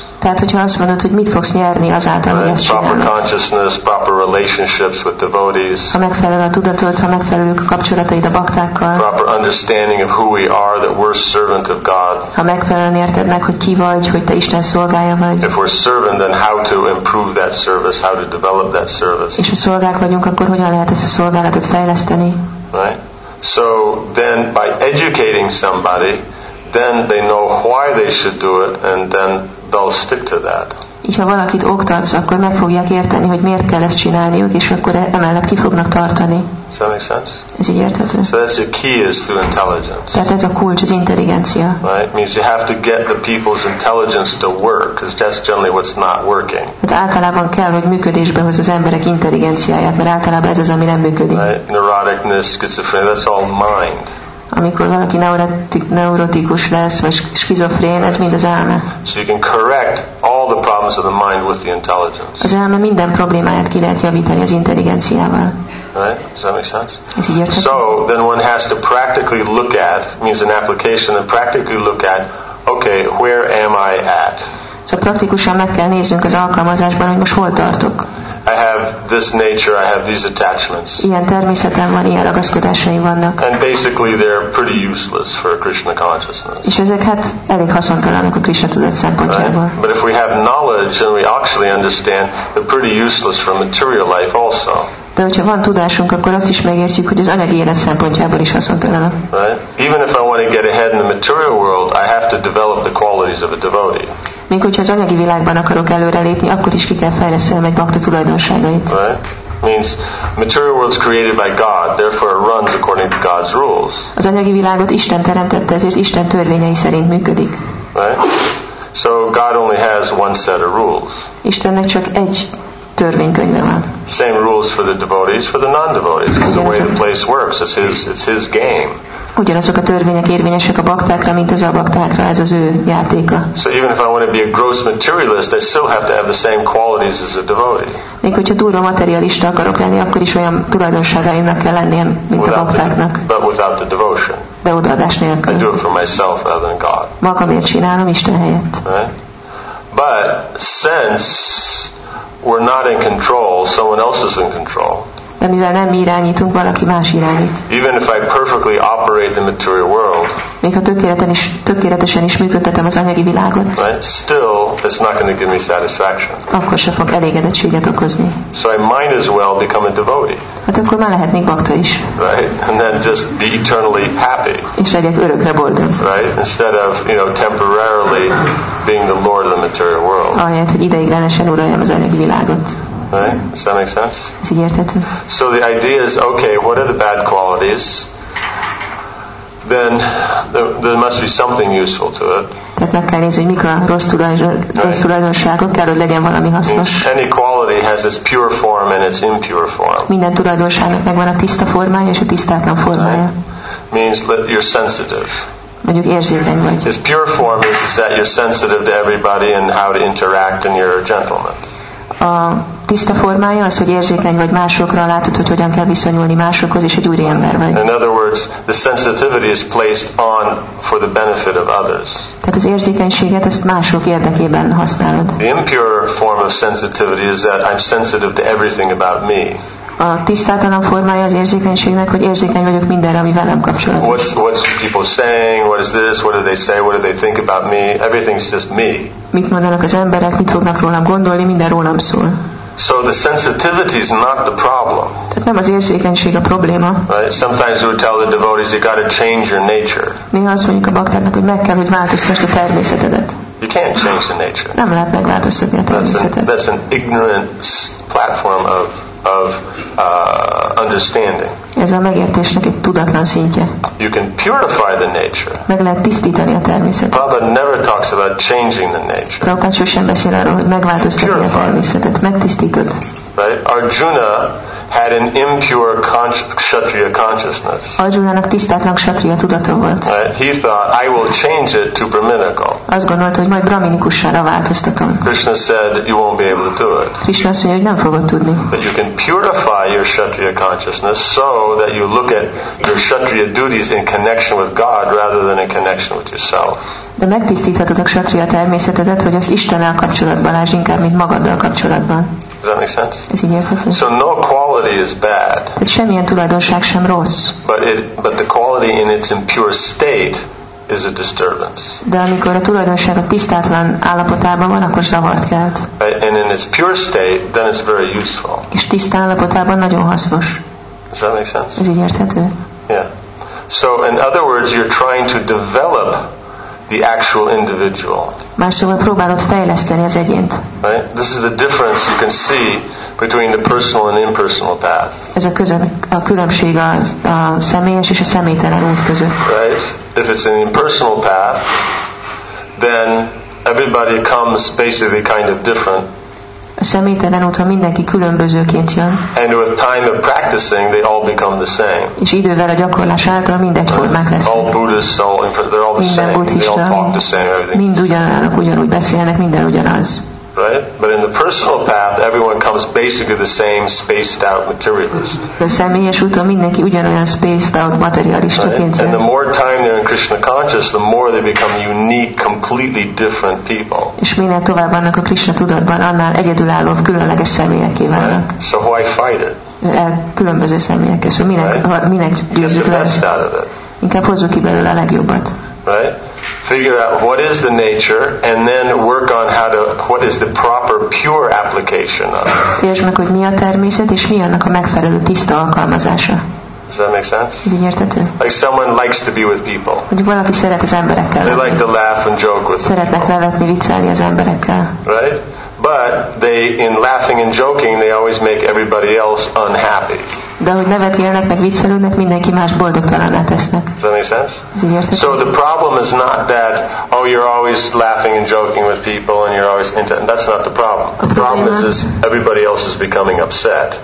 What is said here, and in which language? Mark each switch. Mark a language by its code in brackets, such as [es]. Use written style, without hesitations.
[hu] Tehát, hogyha azt mondod, hogy mit fogsz nyerni azáltal, hogy ezt csinálod. [en] Proper consciousness, proper relationships with devotees. [hu] Ha megfelel a tudatod, ha megfelelők a kapcsolataid a baktákkal. [en] Proper understanding of who we are, that we're servant of God. [hu] Ha megfelelően érted meg, hogy ki vagy, hogy te Isten szolgája vagy. [en] If we're servant, then how to improve that service, how to develop that service. [hu] És ha szolgák vagyunk, akkor hogyan lehet ezt a szolgálatot fejleszteni? [en] Right? So then by educating somebody, then they know why they should do it, and then they'll stick to that. [hu] Így, ha valakit oktatsz, akkor meg fogják érteni, hogy miért kell ezt csinálniuk, és akkor emellett ki fognak tartani. [en] Does that make sense? [hu] Ez így érthető. [en] So that's your key is through intelligence. [hu] Tehát ez a kulcs, az intelligencia. [en] Right? Means you have to get the people's intelligence to work, because that's generally what's not working. [hu] Hát általában kell, hogy működésbe hoz az emberek intelligenciáját, mert általában ez az, ami nem működik. [en] Right? Neuroticness, schizophrenia, that's all mind. [hu] Amikor valaki neurotikus lesz, vagy skizofrén, ez mind az elme. [en] So you can correct all the problems of the mind with the intelligence. [hu] Az elme minden problémáját ki lehet javítani az intelligenciával. [en] Right? Does that make sense? So then one has to practically look at, means an application, and practically look at, okay, where am I at? [hu] Szóval praktikusan meg kell néznünk az alkalmazásban, hogy most hol tartok. [en] I have this nature, I have these attachments. [hu] Ilyen természetem van, ilyen ragaszkodásaim vannak. [en] And basically they're pretty useless for Krishna consciousness. [hu] És ezek hát elég haszontalanok a Krishna tudat szempontjából. [en] Right? But if we have knowledge and we actually understand, they're pretty useless for material life also. [hu] De hogyha van tudásunk, akkor azt is megértjük, hogy az anyagi élet szempontjából is haszontalanak. [en] Right? Even if I want to get ahead in the material world, I have to develop the qualities of a devotee. [hu] Még hogyha az anyagi világban akarok előrelépni, akkor is ki kell fejlesztenem egy bakta tulajdonságait. [en] Right? Means material world is created by God, therefore it runs according to God's rules. [hu] Az anyagi világot Isten teremtette, ezért Isten törvényei szerint működik. [en] Right? So God only has one set of rules. [hu] Istennek csak egy törvénykönyve van. [en] Same rules for the devotees, for the non-devotees. It's the way the place works. It's his game. [hu] Ugyanazok a törvények érvényesek a baktákra, mint az abaktákra. Ez az ő játéka. [en] So even if I want to be a gross materialist, I still have to have the same qualities as a devotee. [hu] Még hogyha durva materialista akarok lenni, akkor is olyan tulajdonságaimnak kell lennie, mint a baktáknak. [en] But without the devotion. [hu] De odaadás nélkül. [en] I do it for myself rather than God. [hu] Magamért csinálom, Isten helyett. [en] Right? But since we're not in control, someone else is in control. [hu] De mivel nem mi irányítunk, valaki más irányít. [en] Even if I perfectly operate the material world, [hu] még ha tökéletesen is működtetem az anyagi világot, [en] right? Still, it's not going to give me satisfaction. [hu] Akkor se fog elégedettséget okozni. [en] So I might as well become a devotee. [hu] Hát akkor már lehetnék bakta is. [en] Right? And then just be eternally happy. [hu] És legyek örökre boldog. [en] Right? Instead of, you know, temporarily being the lord of the material world. [hu] Ahelyett, hogy ideiglenesen uraljam az anyagi világot. [en] Right? Does that make sense? So the idea is, okay, what are the bad qualities? Then there must be something useful to it. [hu] Tehát meg kell nézni, hogy mik a rossz tulajdonságok, kell, hogy legyen valami hasznos. [en] Any quality has its pure form and its impure form. [hu] Minden tulajdonságnak megvan a tiszta formája és a tisztátlan formája. [en] Means that you're sensitive. [hu] Mondjuk érzékeny vagy. [en] Its pure form is that you're sensitive to everybody and how to interact and you're a gentleman. [hu] A tiszta formája az, hogy érzékeny vagy másokra, látod, hogy hogyan kell viszonyulni másokhoz, és egy úriember vagy. [en] In other words, the sensitivity is placed on for the benefit of others. [hu] Tehát az érzékenységet ezt mások érdekében használod. [en] The impure form of sensitivity is that I'm sensitive to everything about me. [hu] A tisztátalan formája az érzékenységnek, hogy érzékeny vagyok mindenre, ami velem kapcsolatos. [en] What's people saying? What is this? What do they say? What do they think about me? Everything's just me. [hu] Mit mondanak az emberek? Mit fognak rólam gondolni? Minden rólam szól. [en] So the sensitivity is not the problem. [hu] Tehát nem az érzékenység a probléma. [en] Right? Sometimes we tell the devotees, you got to change your nature. [hu] Néha azt mondjuk a baktáknak, hogy meg kell, hogy változtasd a természetedet. [en] You can't change the nature. [hu] Nem lehet megváltoztatni a természetet. [en] That's an ignorant platform of understanding. [hu] Ez a megértésnek egy tudatlan szintje. [en] You can purify the nature. [hu] Meg lehet tisztítani a természetet. [en] Prabhupada never talks about changing the nature. [hu] Prabhupada sosem beszél arról, hogy megváltoztatni a természetet, megtisztítod. [en] Right? Arjuna had an impure kshatriya consciousness. [hu] Arjunának tisztátlan kshatriya tudata volt. [en] He thought, I will change it to brahminical. [hu] Azt gondolta, hogy majd brahminikussára változtatom. [en] Krishna said, you won't be able to do it. [hu] Krishna azt mondja, hogy nem fogod tudni. [en] But you can purify your kshatriya consciousness so that you look at your kshatriya duties in connection with God rather than in connection with yourself. [hu] De megtisztíthatod a kshatriya természetedet, hogy azt Istennel kapcsolatban lásd, inkább mint magaddal kapcsolatban. [en] Does that make sense? [hu] Ez így érthető? [en] So no quality is bad. [hu] Tehát semmilyen tulajdonság sem rossz. [en] But the quality in its impure state is a disturbance. [hu] De amikor a tulajdonság a tisztátlan állapotában van, akkor zavart kelt. [en] And in its pure state, then it's very useful. [hu] És tiszta állapotában nagyon hasznos. [en] Does that make sense? [hu] Ez így érthető? [en] Yeah. So in other words, you're trying to develop the actual individual. [hu] Másszóval próbálod fejleszteni az egyént. [en] Right? This is the difference you can see between the personal and impersonal path. [hu] Ez a különbség a személyes és a személytelen út között. [en] Right? If it's an impersonal path, then everybody comes basically kind of different. [hu] A személytelen út, ha mindenki különbözőként jön. [en] And with time of practicing, they all become the same. [hu] És idővel a gyakorlás által mindegy formák lesznek. [en] All Buddhists, all, they're all the [hu] minden [en] same. [hu] Buddhista, [en] they all talk the same. Everything. [hu] Mind ugyanannak, ugyanúgy beszélnek, minden ugyanaz. [en] Right? But in the personal path, everyone comes basically the same spaced out materialist. [hu] De személyes úton mindenki ugyanolyan [en] spaced out [hu] materialistaként jön. [en] And the more time they're in Krishna consciousness, the more they become unique, completely different people. [hu] És minél tovább vannak a Krishna tudatban, annál egyedülálló, különleges személyekké válnak. [en] Right? So why fight it? [hu] Különböző személyekkel. Szóval minek győzzük le? Inkább hozzuk ki belőle a legjobbat. [en] Right? Figure out what is the nature and then work on how to what is the proper pure application of it. [hu] Értsd meg, hogy mi a természet és mi annak a megfelelő tiszta alkalmazása. [en] Does that make sense? [hu] Így értető? [en] Like someone likes to be with people. [hu] Mondjuk valaki szeret az emberekkel. [en] They like to laugh and joke with people. [hu] Szeretnek nevetni, viccelni az emberekkel. [en] Right? But they, in laughing and joking, they always make everybody else unhappy. [hu] De hogy nevetgélnek, meg viccelődnek, mindenki más boldogtalanná tesznek. [en] Does that make sense? So the problem is not that, oh, you're always laughing and joking with people, and you're always, that's not the problem. The problem is everybody else is becoming upset.